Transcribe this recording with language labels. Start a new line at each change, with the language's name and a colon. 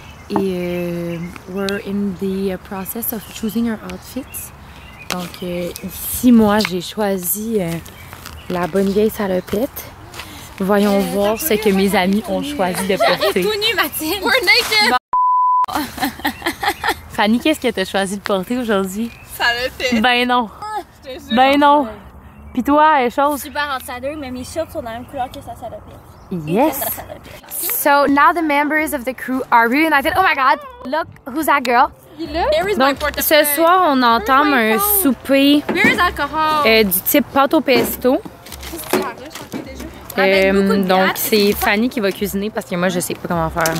English: Et we're in the process of choosing our outfits.
French: Donc ici, moi, j'ai choisi la bonne vieille salopette. Voyons voir ce que mes amis ont choisi de porter. Tout nu, Mathilde.
English: We're naked.
French: Fanny, qu'est-ce que t'as choisi de porter aujourd'hui? Salopette. Ben non. Ben non. Puis toi, et chose. Super ensadeur, mais mes shorts sont dans la même couleur que sa salopette.
English: Yes. So now the members of the crew are reunited. Oh my god, look who's that girl.
French: Donc ce soir on entame un souper du type pâte au pesto. Donc c'est Fanny qui va cuisiner parce que moi je sais pas comment faire.